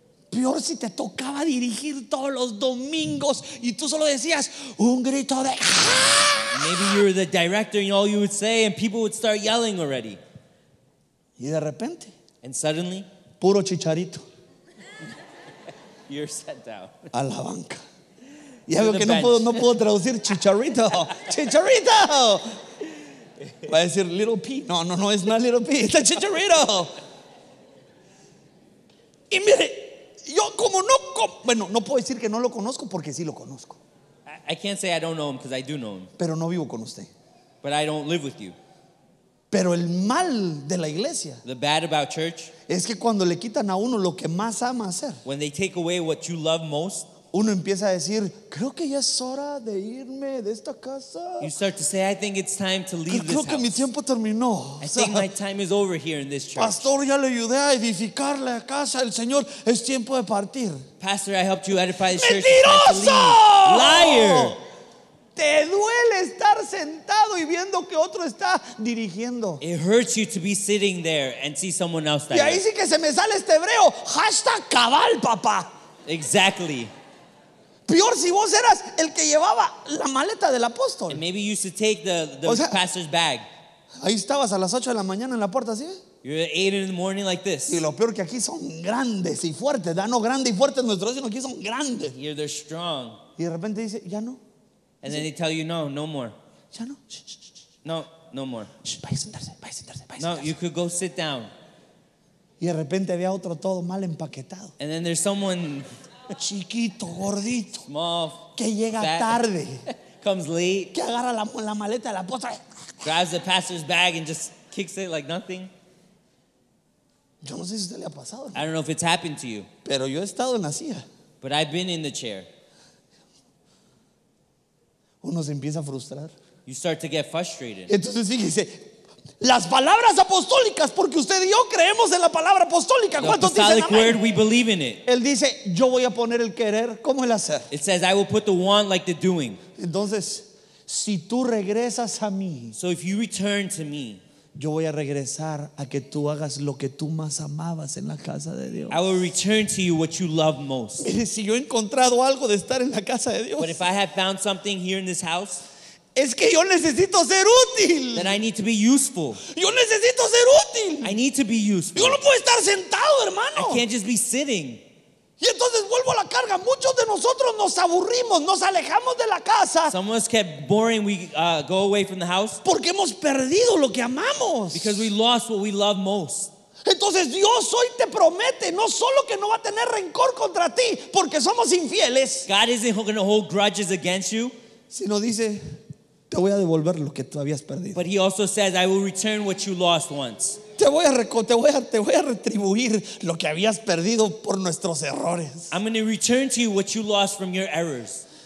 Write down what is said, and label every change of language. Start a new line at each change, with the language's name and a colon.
Spanish: Peor si te tocaba dirigir todos los domingos y tú solo decías un grito de
English: maybe you were the director and all you would say and people would start yelling already.
Spanish: Y de repente.
English: And suddenly.
Spanish: Puro chicharito.
English: You're sent down.
Spanish: A la banca. Y algo que no puedo traducir, chicharito, chicharito. Va a decir little P. No, es
English: not little P,
Spanish: es chicharito. Y mire, yo como no puedo decir que no lo conozco porque sí lo conozco.
English: I can't say I don't know him because I do know him.
Spanish: Pero no vivo con usted.
English: But I don't live with you.
Spanish: Pero el mal de la iglesia.
English: The bad about church.
Spanish: Es que cuando le quitan a uno lo que más ama hacer.
English: When they take away what you love most.
Spanish: uno empieza a decir, creo que ya es hora de irme de esta casa.
English: You start to say, I think it's time to leave this house.
Spanish: Creo que mi tiempo terminó.
English: I think my time is over here in this church.
Spanish: Pastor, ya le ayudé a edificar la casa del Señor. Es tiempo de partir.
English: Pastor, I helped you edify this
Spanish: ¡Mentiroso! ¡Mentiroso!
English: Liar.
Spanish: Te duele estar sentado y viendo que otro está dirigiendo.
English: It hurts you to be sitting there and see someone else
Spanish: there. Y ahí sí que se me sale este hebreo. Hashtag cabal, papá.
English: Exactly.
Spanish: Peor si vos eras el que llevaba la maleta del apóstol.
English: And maybe you used to take the pastor's bag.
Spanish: Ahí estabas a las 8 de la mañana en la puerta, ¿sí?
English: You're at 8 in the morning like this.
Spanish: Y lo peor que aquí son grandes y fuertes. No grande y fuerte nuestro Dios, sino aquí son grandes.
English: Here they're strong.
Spanish: Y de repente dice, ya no.
English: And then they tell you, no more.
Spanish: Ya no.
English: No more.
Spanish: Vaya a sentarse.
English: No, you could go sit down.
Spanish: Y de repente había otro todo mal empaquetado.
English: And then there's someone
Spanish: chiquito, gordito.
English: Small,
Spanish: que llega fat, tarde.
English: Comes late.
Spanish: Que agarra la maleta de la postre.
English: Grabs the pastor's bag and just kicks it like nothing.
Spanish: Yo no sé si usted le ha pasado.
English: I don't know if it's happened to you.
Spanish: Pero yo he estado en la silla.
English: But I've been in the chair.
Spanish: Uno se empieza a frustrar.
English: You start to get frustrated.
Spanish: Entonces fíjese, las palabras apostólicas, porque usted y yo creemos en la palabra apostólica. ¿Cuántos dicen amén?
English: Word, we believe in it.
Spanish: Él dice, yo voy a poner el querer como el hacer.
English: It says, I will put the want like the doing.
Spanish: Entonces, si tú regresas a mí,
English: so if you return to me,
Spanish: yo voy a regresar a que tú hagas lo que tú más amabas en la casa de Dios.
English: I will return to you what you love most.
Spanish: Mire, si yo he encontrado algo de estar en la casa de Dios,
English: but if I have found something here in this house,
Spanish: es que yo necesito ser útil.
English: Then I need to be useful.
Spanish: Yo necesito ser útil.
English: I need to be useful.
Spanish: Yo no puedo estar sentado, hermano.
English: I can't just be sitting.
Spanish: Y entonces vuelvo a la carga. Muchos de nosotros nos aburrimos, nos alejamos de la casa.
English: Some of us kept boring, we go away from the house.
Spanish: Porque hemos perdido lo que amamos.
English: Because we lost what we love most.
Spanish: Entonces Dios hoy te promete no solo que no va a tener rencor contra ti porque somos infieles.
English: God isn't going to hold grudges against you.
Spanish: Sino dice, te voy a devolver lo que tú habías perdido.
English: But he also says, I will return what you lost once.
Spanish: Te voy a retribuir lo que habías perdido por nuestros errores.
English: I'm going to return to you what you lost from your errors.